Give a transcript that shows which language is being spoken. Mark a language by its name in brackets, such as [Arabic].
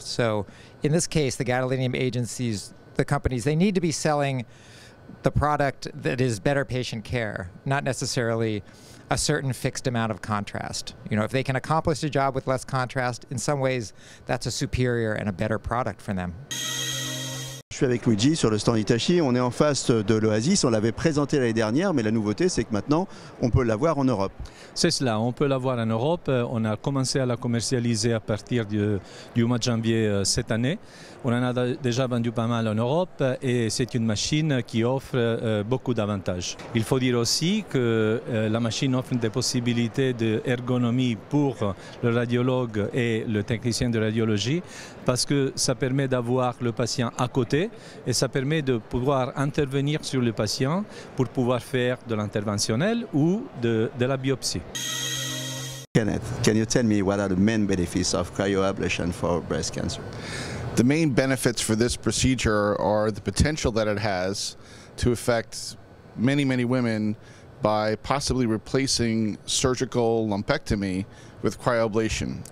[English] So in this case, the gadolinium agencies, the companies, they need to be selling the product that is better patient care, not necessarily a certain fixed amount of contrast. You know, if they can accomplish a job with less contrast, in some ways, that's a superior and a better product for them. [French] Je suis avec Luigi sur le stand Hitachi, on est en face de l'Oasis, on l'avait présenté l'année dernière, mais la nouveauté c'est que maintenant on peut l'avoir en Europe. C'est cela, on peut l'avoir en Europe, on a commencé à la commercialiser à partir du mois de janvier cette année. On en a déjà vendu pas mal en Europe et c'est une machine qui offre beaucoup d'avantages. Il faut dire aussi que la machine offre des possibilités d'ergonomie pour le radiologue et le technicien de radiologie parce que ça permet d'avoir le patient à côté et ça permet de pouvoir intervenir sur le patient pour pouvoir faire de l'interventionnel ou de la biopsie. [English] Kenneth, can you tell me what are the main benefits of cryoablation for breast cancer? The main benefits for this procedure are the potential that it has to affect many, many women by possibly replacing surgical lumpectomy with cryoablation.